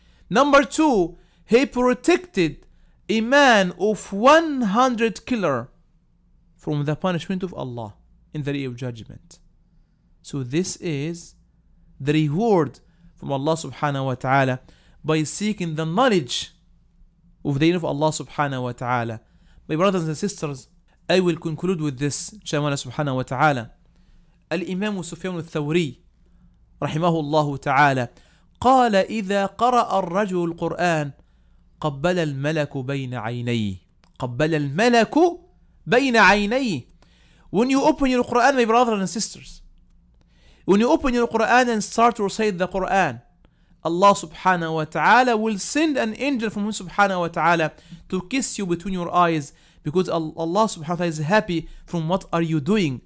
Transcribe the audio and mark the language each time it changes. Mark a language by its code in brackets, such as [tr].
[en] Number two, he protected a man of 100 killer from the punishment of Allah in the day of judgment. So this is the reward from Allah subhanahu wa ta'ala by seeking the knowledge of the name of Allah subhanahu wa ta'ala. My brothers and sisters, I will conclude with this, inshallah subhanahu wa ta'ala. [ar] الإمام سفيان الثوري رحمه الله تعالى قال إذا قرأ الرجل القرآن قبل الملك بين عينيه قبل الملك بين عينيه. [en] When you open your Quran, my brothers and sisters, when you open your Quran and start to recite the Quran, Allah subhanahu wa ta'ala will send an angel from him subhanahu wa ta'ala to kiss you between your eyes, because Allah subhanahu wa ta'ala is happy from what are you doing.